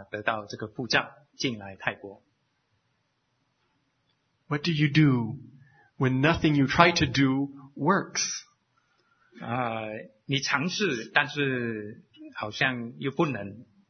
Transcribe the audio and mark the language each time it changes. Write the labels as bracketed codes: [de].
[zh] 那就是这位医生说，好，我们会为他做一个假脚，但是他没有办法得到这个护照进来泰国。 [en] What do you do when nothing you try to do works? [zh] 你尝试，但是好像又不能。